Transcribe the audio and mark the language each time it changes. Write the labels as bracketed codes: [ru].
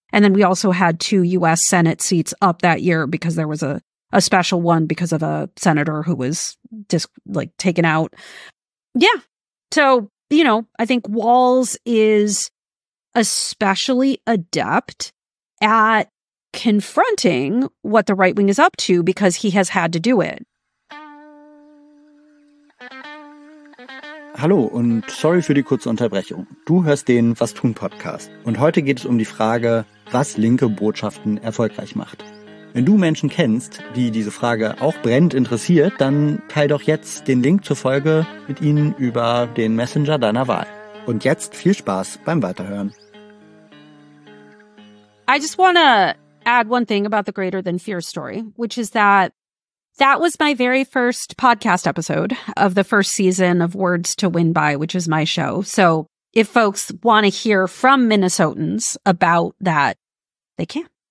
[en] And then we also had two U.S. Senate seats up that year because there was a special one because of a senator who was taken out. Yeah. So, you know, I think Walz is especially adept at confronting what the right wing is up to because he has had to do it. [de] Hallo und sorry für die kurze Unterbrechung. Du hörst den Was tun Podcast und heute geht es um die Frage, was linke Botschaften erfolgreich macht. Wenn du Menschen kennst, die diese Frage auch brennend interessiert, dann teil doch jetzt den Link zur Folge mit ihnen über den Messenger deiner Wahl. Und jetzt viel Spaß beim Weiterhören. [en] I just want to add one thing about the Greater Than Fear story, which is that that was my very first podcast episode of the first season of Words to Win By, which is my show. So if folks want to hear from Minnesotans about that, they can.